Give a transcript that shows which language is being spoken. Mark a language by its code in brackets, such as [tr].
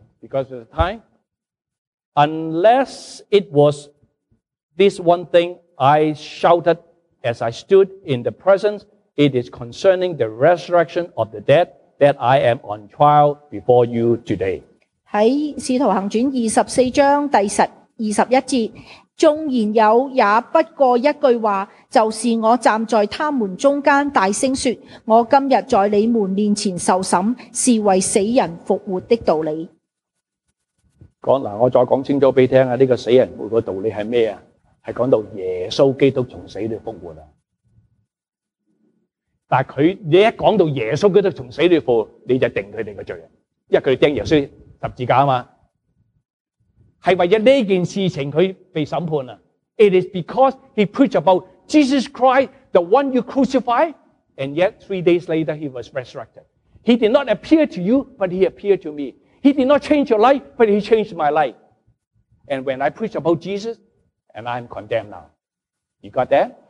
[en] Because of the time, unless it was this one thing I shouted as I stood in the presence, it is concerning the resurrection of the dead that I am on trial before you today. [zh] 在使徒行传二十四章第十二十一节，纵然有也不过一句话，就是我站在他们中间大声说，我今日在你们面前受审，是为死人复活的道理。我再讲清楚俾听啊，这个死人复活的道理是什么？是讲到耶稣基督从死里复活了。但他一讲到耶稣基督从死里复活，你就定他们的罪。因为他们钉耶稣十字架嘛。是为了这件事情他被审判了。 [en] It is because he preached about Jesus Christ, the one you crucified, and yet 3 days later he was resurrected. He did not appear to you, but he appeared to me. He did not change your life, but he changed my life. And when I preach about Jesus,And I'm condemned now. You got that?